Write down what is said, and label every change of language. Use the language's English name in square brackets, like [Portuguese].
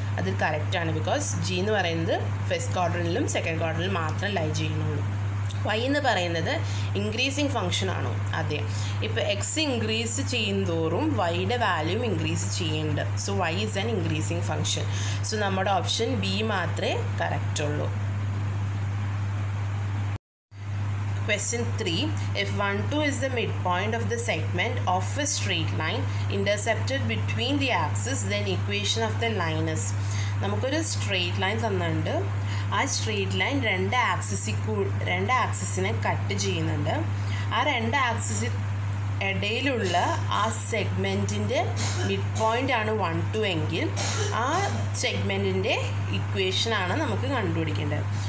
[Malayalam] അത് കറക്റ്റാണ്, because G എന്ന് പറയുന്നത് ഫസ്റ്റ് ക്വാഡ്രനിലും സെക്കൻഡ് ക്വാഡ്രനിലും മാത്രം ലൈ ചെയ്യുന്നുള്ളൂ. വൈ എന്ന് പറയുന്നത് ഇൻക്രീസിങ് ഫങ്ഷൻ ആണോ? അതെ. ഇപ്പോൾ എക്സ് ഇൻക്രീസ് ചെയ്യുന്നതോറും വൈയുടെ വാല്യൂം ഇൻക്രീസ് ചെയ്യുന്നുണ്ട്. [English] So Y is an increasing function. [Malayalam] So നമ്മുടെ ഓപ്ഷൻ ബി മാത്രമേ കറക്റ്റ് ഉള്ളൂ. [English] Question 3, if 1, 2 is the midpoint of the segment of a straight line intercepted between the axes, then equation of the line is. [Malayalam] നമുക്കൊരു straight line തന്നിട്ടുണ്ട്. ആ straight line രണ്ട് ആക്സിസിനെ cut ചെയ്യുന്നുണ്ട്. ആ രണ്ട് ആക്സിസിന് ഇടയിലുള്ള ആ സെഗ്മെൻറ്റിൻ്റെ മിഡ് പോയിൻ്റ് ആണ് 1, 2 എങ്കിൽ ആ സെഗ്മെൻറ്റിൻ്റെ ഇക്വേഷനാണ് നമുക്ക് കണ്ടുപിടിക്കേണ്ടത്.